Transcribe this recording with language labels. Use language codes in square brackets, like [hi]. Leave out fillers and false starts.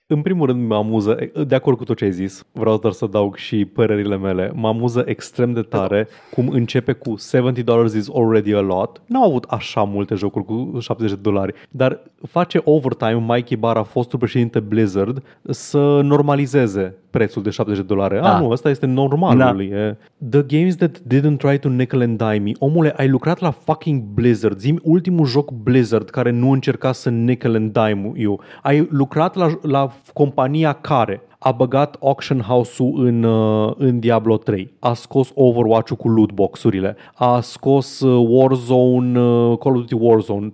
[ro] În primul rând mă amuză, de acord cu tot ce ai zis, vreau doar să adaug și părerile mele, mă amuză extrem de tare cum începe cu $70 [en] is already a lot. [ro] N-au avut așa multe jocuri cu $70, dar face overtime Mikey Barra, fostul președinte Blizzard, să normalizeze prețul de $70. Da. Nu, ăsta este normalul. Da. [en] The games that didn't try to nickel and dime me. [ro] Omule, ai lucrat la fucking Blizzard. Zi-mi ultimul joc Blizzard care nu încerca să [en] nickel and dime you. [ro] Ai lucrat la compania care a băgat auction house-ul în Diablo 3. A scos Overwatch-ul cu lootbox-urile. A scos Call of Duty Warzone.